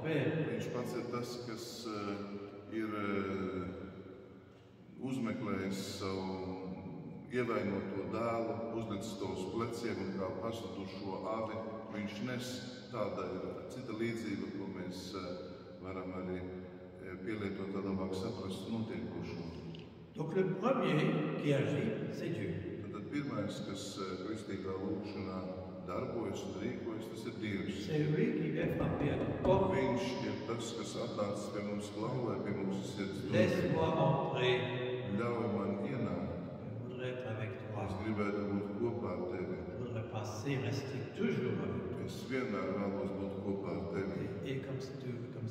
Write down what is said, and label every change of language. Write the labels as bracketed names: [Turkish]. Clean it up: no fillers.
[Latvian] Viņš pats ir tas, kas ir uzmeklējis savu ievainoto dēlu, uzlicis to uz pleciem un kā pazudušo avi. Viņš nes tāda ir cita līdzība, ko mēs varam arī pielietot tādā labāk saprast notiekošo. [French] Donc le premier qui agit, c'est Dieu. [Latvian] Tad pirmais, kas kristīgā lūkšanā darbojas un rīkojas, tas ir Dievs. Viņš ir tas, kas atnācis pie mums glāvē, pie mums sirds dūrē. Ļauj man ienākt. Es gribētu būt kopā ar tevi. Es vienmēr vēlos būt kopā ar tevi.